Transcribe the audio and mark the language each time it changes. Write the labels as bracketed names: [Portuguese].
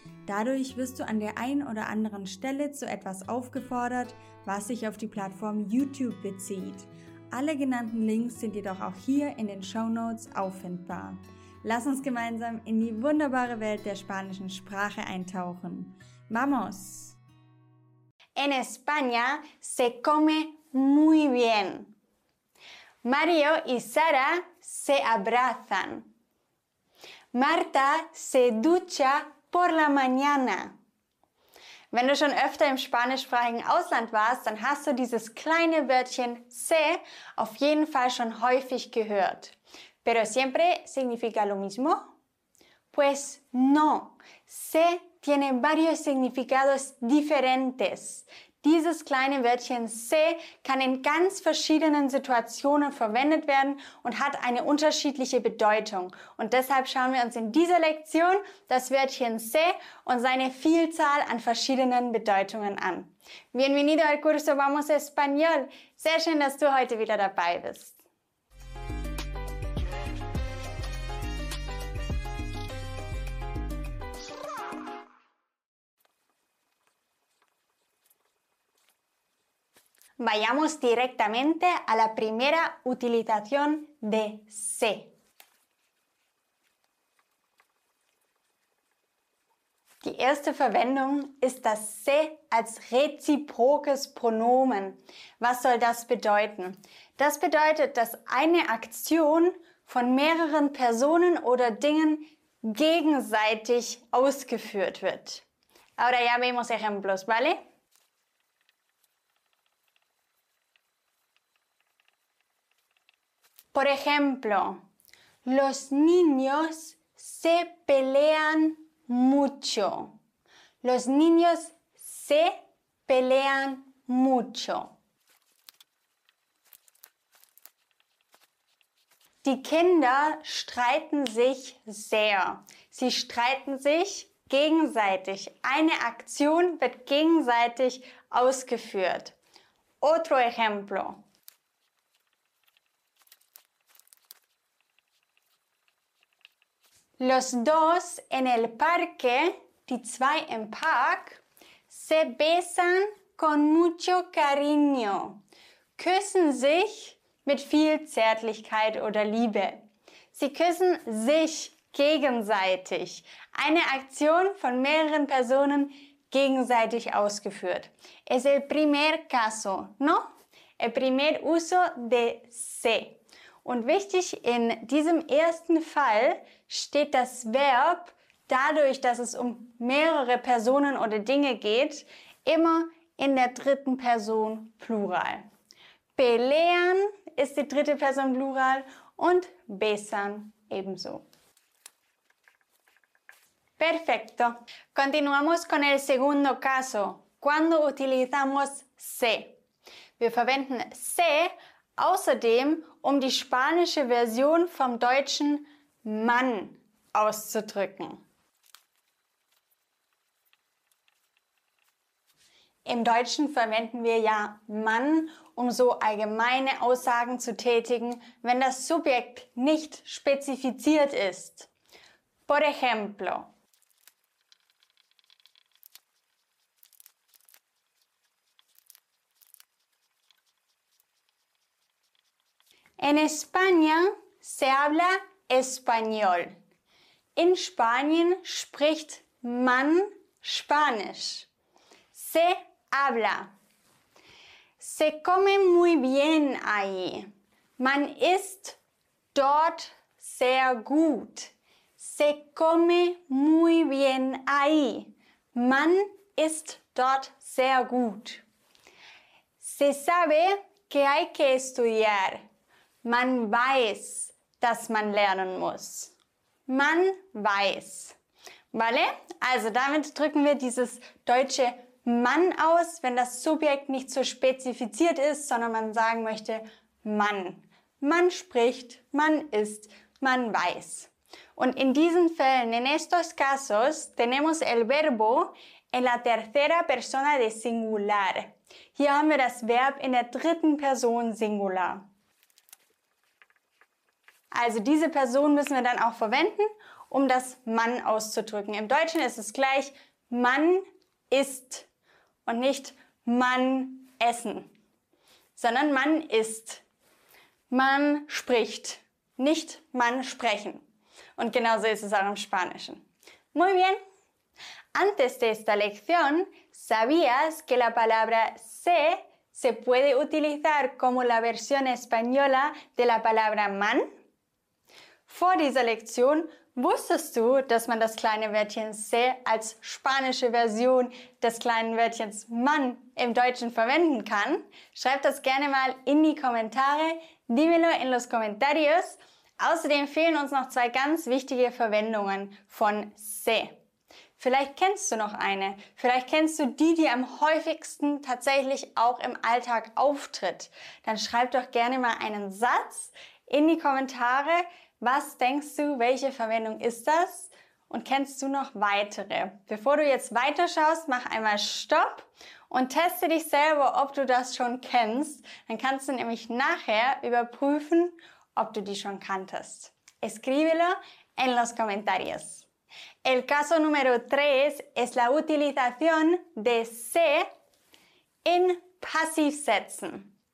[German] Dadurch wirst du an der einen oder anderen Stelle zu etwas aufgefordert, was sich auf die Plattform YouTube bezieht. Alle genannten Links sind jedoch auch hier in den Shownotes auffindbar. Lass uns gemeinsam in die wunderbare Welt der spanischen Sprache eintauchen. [Spanish] ¡Vamos! En España se come muy bien. Mario y Sara se abrazan. Marta se ducha por la mañana. [German] Wenn du schon öfter im spanischsprachigen Ausland warst, dann hast du dieses kleine Wörtchen se auf jeden Fall schon häufig gehört. [Spanish] ¿Pero siempre significa lo mismo? Pues no. Se tiene varios significados diferentes. [German] Dieses kleine Wörtchen se kann in ganz verschiedenen Situationen verwendet werden und hat eine unterschiedliche Bedeutung. Und deshalb schauen wir uns in dieser Lektion das Wörtchen se und seine Vielzahl an verschiedenen Bedeutungen an. [Spanish] Bienvenido al curso Vamos Español. [German] Sehr schön, dass du heute wieder dabei bist. [Spanish] Vayamos directamente a la primera utilización de se. [German] Die erste Verwendung ist das se als reziprokes Pronomen. Was soll das bedeuten? Das bedeutet, dass eine Aktion von mehreren Personen oder Dingen gegenseitig ausgeführt wird. [Spanish] Ahora ya vemos ejemplos, ¿vale? Por ejemplo, los niños se pelean mucho. Los niños se pelean mucho. [German] Die Kinder streiten sich sehr. Sie streiten sich gegenseitig. Eine Aktion wird gegenseitig ausgeführt. [Spanish] Otro ejemplo. Los dos en el parque, [German] die zwei im Park, [Spanish] se besan con mucho cariño. [German] Küssen sich mit viel Zärtlichkeit oder Liebe. Sie küssen sich gegenseitig. Eine Aktion von mehreren Personen gegenseitig ausgeführt. [Spanish] Es el primer caso, ¿no? El primer uso de se. [German] Und wichtig, in diesem ersten Fall steht das Verb, dadurch, dass es um mehrere Personen oder Dinge geht, immer in der dritten Person Plural. Pelean ist die dritte Person Plural und besan ebenso. [Spanish] Perfecto. Continuamos con el segundo caso. Cuando utilizamos se. [German] Wir verwenden se außerdem, um die spanische Version vom deutschen Mann auszudrücken. Im Deutschen verwenden wir ja Mann, um so allgemeine Aussagen zu tätigen, wenn das Subjekt nicht spezifiziert ist. [Spanish] Por ejemplo. En España se habla español. [German] In Spanien spricht man Spanisch. [Spanish] Se habla. Se come muy bien ahí. [German] Man isst dort sehr gut. [Spanish] Se come muy bien ahí. [German] Man isst dort sehr gut. [Spanish] Se sabe que hay que estudiar. [German] Man weiß, dass man lernen muss. Man weiß. Vale? Also damit drücken wir dieses deutsche Mann aus, wenn das Subjekt nicht so spezifiziert ist, sondern man sagen möchte, man. Man spricht, man isst, man weiß. Und in diesen Fällen, [Spanish] en estos casos, tenemos el verbo en la tercera persona de singular. [German] Hier haben wir das Verb in der dritten Person singular. Also diese Person müssen wir dann auch verwenden, um das Mann auszudrücken. Im Deutschen ist es gleich, man isst und nicht man essen, sondern man isst. Man spricht, nicht man sprechen. Und genauso ist es auch im Spanischen. [Spanish] Muy bien. Antes de esta lección, ¿sabías que la palabra se puede utilizar como la versión española de la palabra man? [German] Vor dieser Lektion wusstest du, dass man das kleine Wörtchen se als spanische Version des kleinen Wörtchens man im Deutschen verwenden kann? Schreib das gerne mal in die Kommentare. [Spanish] Dímelo en los comentarios. [German] Außerdem fehlen uns noch zwei ganz wichtige Verwendungen von se. Vielleicht kennst du noch eine. Vielleicht kennst du die, die am häufigsten tatsächlich auch im Alltag auftritt. Dann schreib doch gerne mal einen Satz in die Kommentare. Was denkst du, welche Verwendung ist das? Und kennst du noch weitere? Bevor du jetzt weiterschaust, mach einmal Stopp und teste dich selber, ob du das schon kennst. Dann kannst du nämlich nachher überprüfen, ob du die schon kanntest. [Spanish] Escríbelo en los comentarios. El caso número 3 es la utilización de se [German] in Passivsätzen.